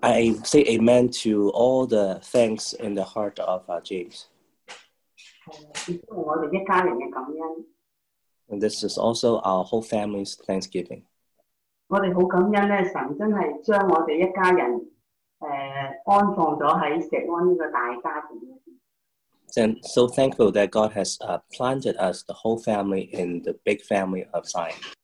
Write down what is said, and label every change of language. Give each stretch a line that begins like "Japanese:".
English: I say amen to all the thanks in the heart of James.
Chinese: 我们一家人的感恩
English: And this is also our whole family's thanksgiving.
Chinese: 我们很感恩神真的将我们一家人、安放在石安这个大家庭
English: And so thankful that God has planted us, the whole family, in the big family of Zion.